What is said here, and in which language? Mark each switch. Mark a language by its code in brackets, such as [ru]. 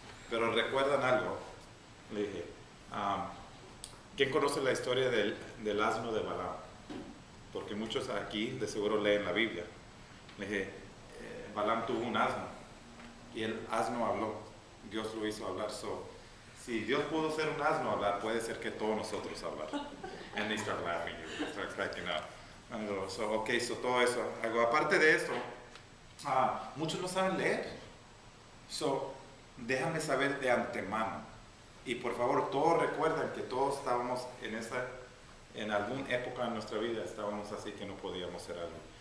[es] Pero recuerdan algo. Le dije, ¿quién conoce la historia del asno de Balaam? Porque muchos aquí de seguro leen la Biblia. Le dije, Balaam tuvo un asno y el asno habló. Dios lo hizo hablar. So, si Dios pudo ser un asno hablar, puede ser que todos nosotros hablar. [en] And they start laughing, they start cracking up. And so, okay, so [es] todo eso. Algo aparte de eso, muchos no saben leer. So, déjame saber de antemano. Y por favor, todos recuerden que todos estábamos en esta. En alguna época de nuestra vida estábamos así que no podíamos hacer algo.